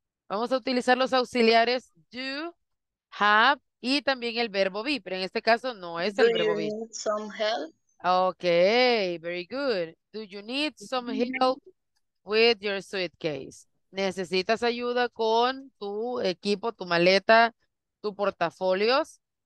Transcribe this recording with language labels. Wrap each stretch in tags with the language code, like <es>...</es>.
<es>Vamos a utilizar los auxiliares do, have y también el verbo be, pero en este caso no es el verbo be.</es> <en>Do you need some help? Okay, very good. Do you need some help with your suitcase?</en> <es>¿Necesitas ayuda con tu equipo, tu maleta, tu portafolios?</es>